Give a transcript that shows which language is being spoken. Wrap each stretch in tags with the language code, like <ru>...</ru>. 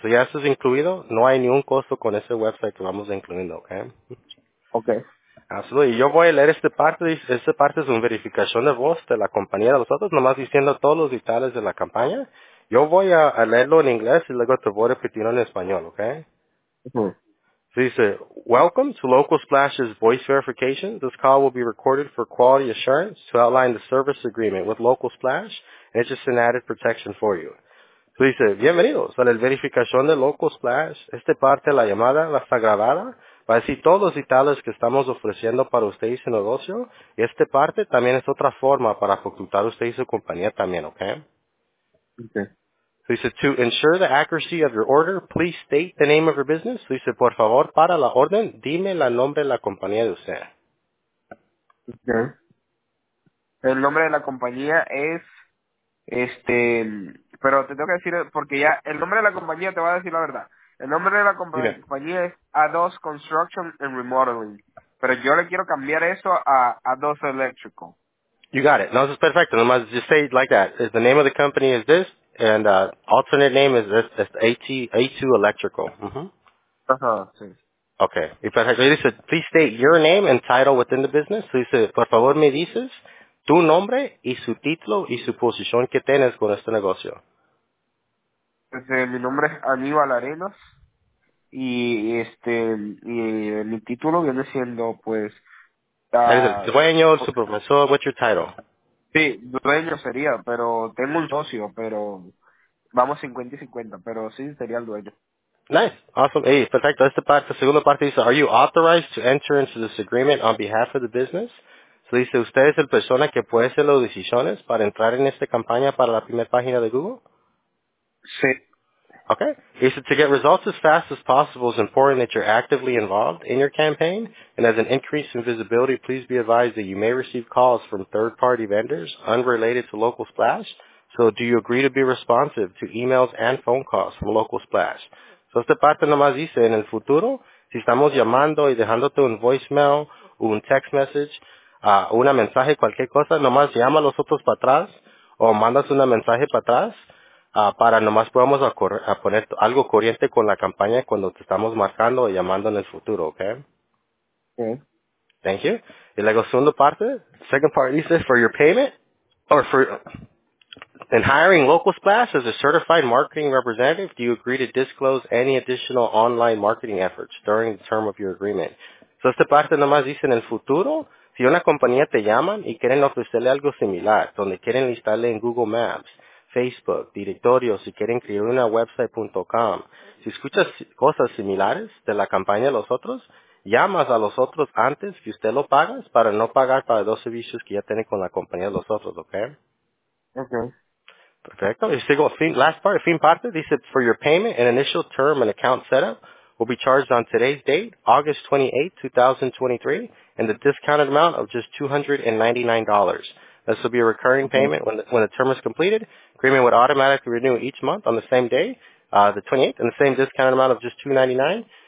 <es>So, ya esto es incluido, no hay ningún costo con ese website que vamos incluyendo, ¿ok? Ok. Absolutely, yo voy a leer esta parte es una verificación de voz de la compañía de nosotros, nomás diciendo todos los detalles de la campaña. Yo voy a leerlo en inglés y luego te voy a repetir en español, ¿ok? Uh-huh.</es> <en>So, dice, welcome to Local Splash's voice verification. This call will be recorded for quality assurance to outline the service agreement with Local Splash, and it's just an added protection for you.</en> <es>So dice, bienvenidos a la verificación de Local Splash. Esta parte de la llamada va a estar grabada. Va a decir todos los detalles que estamos ofreciendo para usted y su negocio. Y esta parte también es otra forma para facultar usted y su compañía también, ¿ok? Ok.</es> <en>So dice, to ensure the accuracy of your order, please state the name of your business.</en> <es>So dice, por favor, para la orden, dime el nombre de la compañía de usted. Ok. El nombre de la compañía es, pero te tengo que decir, porque ya el nombre de la compañía te va a decir la verdad. El nombre de la compañía es A2 Construction and Remodeling. Pero yo le quiero cambiar eso a A2 Electrical.</es> <en>You got it.</en> <es>No, eso es perfecto. Nomás,</es> <en>just say it like that. The name of the company is this, and alternate name is this. It's A2 Electrical. Uh-huh.</en> <es>Ajá, sí. Okay. Y perfecto.</es> <en>Please state your name and title within the business.</en> <es>So dice, por favor, me dices... Tu nombre y su título y su posición que tienes con este negocio. Mi nombre es Aníbal Arenas y mi título viene siendo pues... ¿Eres el dueño, su profesor?</es> <en>What's your title?</en> <es>Sí, dueño sería, pero tengo un socio, pero vamos 50 y 50, pero sí sería el dueño.</es> <en>Nice. Awesome. Hey, perfecto.</en> <es>Esta parte, la segunda parte dice,</es> <en>are you authorized to enter into this agreement on behalf of the business?</en> <es>So dice, ¿usted es el persona que puede hacer las decisiones para entrar en esta campaña para la primera página de Google? Sí. Okay.</es> <en>He said, to get results as fast as possible, it's important that you're actively involved in your campaign. And as an increase in visibility, please be advised that you may receive calls from third-party vendors unrelated to Local Splash. So do you agree to be responsive to emails and phone calls from Local Splash?</en> <es>So esta parte nomás dice, en el futuro, si estamos llamando y dejándote un voicemail, un text message, una mensaje, cualquier cosa, nomás llama a los otros para atrás o mandas un mensaje para atrás. Para nomás podamos a poner algo corriente con la campaña cuando te estamos marcando o llamando en el futuro, ¿ok? Okay.</es> <en>Thank you.</en> <es>Y luego, segunda parte,</es> <en>second part dice, for your payment, or for, in hiring Local Splash as a certified marketing representative, do you agree to disclose any additional online marketing efforts during the term of your agreement?</en> <es>So esta parte nomás dice, en el futuro, si una compañía te llaman y quieren ofrecerle algo similar, donde quieren listarle en Google Maps, Facebook, directorio, si quieren crear una website.com. Si escuchas cosas similares de la campaña de los otros, llamas a los otros antes que usted lo pagas para no pagar para dos servicios que ya tiene con la compañía de los otros, ¿ok? Ok. Perfecto. Y sigo,</es> <en>last part,</en> <es>fin parte, dice,</es> <en>for your payment, an initial term and account setup will be charged on today's date, August 28, 2023, and the discounted amount of just $299. This will be a recurring payment when the term is completed. Agreement would automatically renew each month on the same day, the 28th, and the same discounted amount of just $299.</en>